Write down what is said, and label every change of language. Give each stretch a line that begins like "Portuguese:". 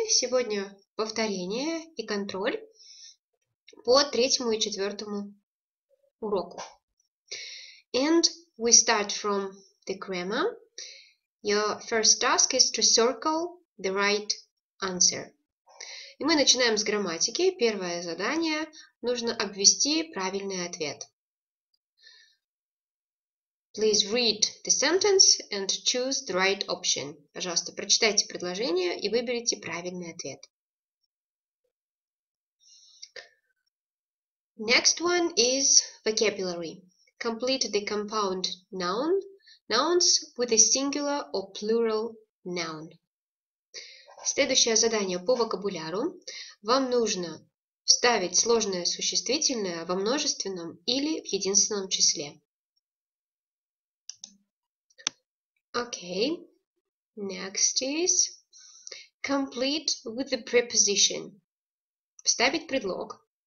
Russian: Сегодня повторение и контроль по третьему и четвертому уроку.
English: And we start from the grammar. Your first task is to circle the right answer.
Russian: И мы начинаем с грамматики. Первое задание – нужно обвести правильный ответ.
English: Please read the sentence and choose the right option.
Russian: Пожалуйста, прочитайте предложение и выберите правильный ответ.
English: Next one is vocabulary. Complete the compound noun, nouns with a singular or plural noun.
Russian: Следующее задание по вокабуляру. Вам нужно вставить сложное существительное во множественном или в единственном числе.
English: Okay, next is complete with the preposition.
Russian: Вставить предлог.